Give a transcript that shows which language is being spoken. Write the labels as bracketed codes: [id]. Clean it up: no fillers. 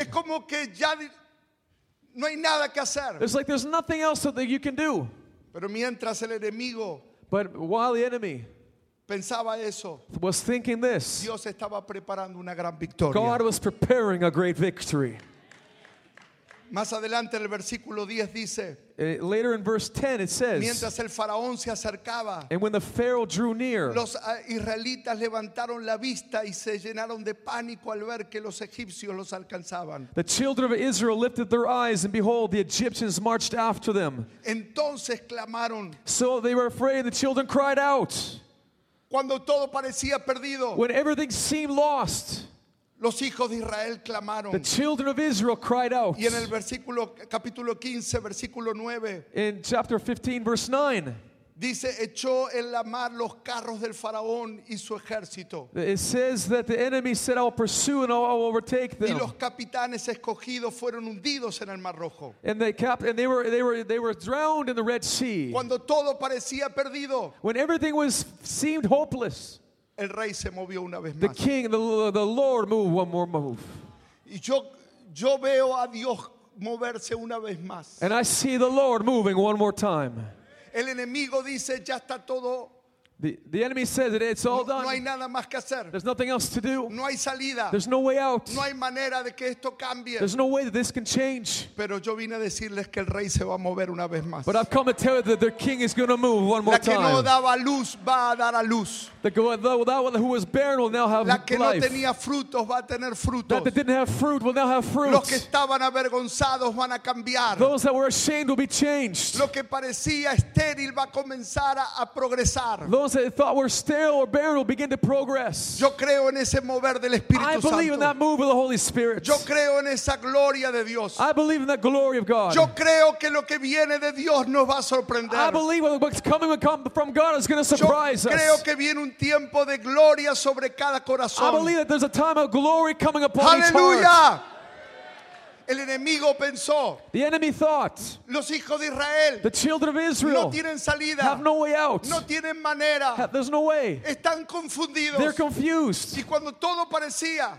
[es] Es como que ya no hay nada que hacer. [en] It's like there's nothing else that you can do. [es] Pero mientras el enemigo, [en] but while the enemy [es] pensaba eso, [en] was thinking this, [es] Dios estaba preparando una gran victoria. [en] God was preparing a great victory. [es] Más adelante en el versículo 10 dice, [en] later in verse 10 it says, [es] mientras el faraón se acercaba, [en] and when the Pharaoh drew near, [es] los israelitas levantaron la vista y se llenaron de pánico al ver que los egipcios los alcanzaban. [en] The children of Israel lifted their eyes and behold the Egyptians marched after them. [es] Entonces clamaron. [en] So they were afraid, the children cried out. [es] Cuando todo parecía perdido, [en] when everything seemed lost, [es] los hijos de Israel clamaron. [en] The children of Israel cried out. [es] Y en el versículo capítulo 15 versículo 9. [en] In chapter 15 verse 9. [es] Dice echó en la mar los carros del faraón y su ejército. [en] It says that the enemy said I'll pursue and I'll overtake them. [es] Y los capitanes escogidos fueron hundidos en el mar rojo. [en] And they were drowned in the Red Sea. [es] Cuando todo parecía perdido. [en] When everything seemed hopeless. [es] El rey se movió una vez más. [en] The king, the Lord moved one more move. [es] Y yo veo a Dios moverse una vez más. [en] And I see the Lord moving one more time. [es] El enemigo dice ya está todo [en] The enemy says that it's all done. [es] No hay nada más que hacer. [en] There's nothing else to do. [es] No hay salida. [en] There's no way out. [es] No hay manera de que esto cambie. [en] There's no way that this can change. [es] Pero yo vine a decirles que el rey se va a mover una vez más. [en] But I've come to tell you that the king is going to move one more time. [es] La que no daba luz va a dar a luz. [en] That who was barren will now have life. [es] La que no tenía frutos va a tener frutos. [en] That didn't have fruit will now have fruit. [es] Los que estaban avergonzados van a cambiar. [en] Those that were ashamed will be changed. [es] Lo que parecía estéril va a comenzar a progresar. [en] That they thought were stale or barren will begin to progress. [es] Yo creo en ese mover del Espíritu Santo. [en] I believe in that move of the Holy Spirit. [es] Yo creo en esa gloria de Dios. [en] I believe in the glory of God. [es] Yo creo que lo que viene de Dios nos va a sorprender. [en] I believe what's coming from God is going to surprise us. [es] Yo creo que viene un tiempo de gloria sobre cada corazón. [en] I believe that there's a time of glory coming upon Hallelujah. Each heart. [es] El enemigo pensó, [en] the enemy thought, [es] los hijos de Israel, [en] the children of Israel, [es] no tienen salida, [en] have no way out, [es] no tienen manera, [en] there's no way, [es] están confundidos, [en] they're confused. [es] Y cuando todo parecía,